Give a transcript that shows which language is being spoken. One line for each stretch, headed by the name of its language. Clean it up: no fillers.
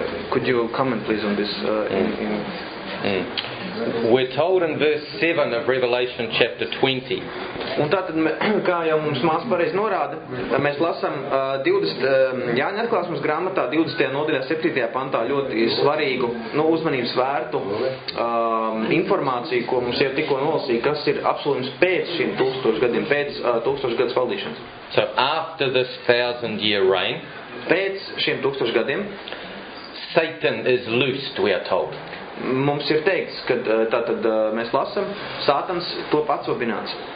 English: Could you comment, please, on this? We're told in verse 7 of Revelation chapter 20.
Latvian: Un tātad, kā jau mums māsa pareizi norāda, mēs lasam 20. Jāņa atklāsmes grāmatā 20. nodaļā 7. pantā ļoti svarīgu, nu, uzmanības vērtu informāciju, ko mums jau tikko nolasīja, kas ir apsolījums pēc šiem tūkstošu gadiem, pēc tūkstošu gadus valdīšanas.
English: So after this 1,000-year reign,
Latvian: pēc šiem tūkstošu gadiem,
English: Satan is loosed, we are told.
Latvian: Mums ir teikts, ka tātad mēs lasam, Sātans to atsvabināts.